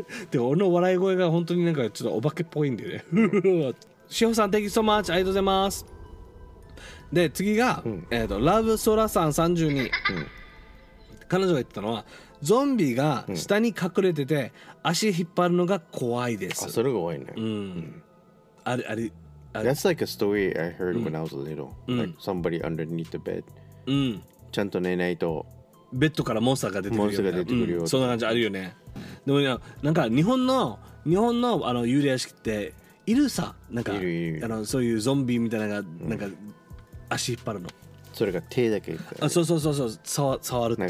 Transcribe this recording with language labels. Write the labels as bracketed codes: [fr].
[ja] で俺の笑い声が本当になんかちょっとお化けっぽいんでね。 [en] しほさん Thank you so much。 [ja] ありがとうございます。で次が、うん、ラブソラさん32、うん、彼女が言ってたのはゾンビが下に隠れてて、うん、足引っ張るのが怖いです。あ、それが怖いね。うん、あれあれ、あれ [en] That's like a story I heard when I was little、うん、like somebody underneath the bed、 [ja] うん、ちゃんと寝ないとベッドからモンスターが出てくるよ、ね、うん、そんな感じあるよね。でもなんか日本の、 あの幽霊屋敷っているさ、なんかいるいるあのそういうゾンビみたいなのが、うん、なんか足引っ張るの、それが手だけ、あ、そうそうそうそう、触るっていう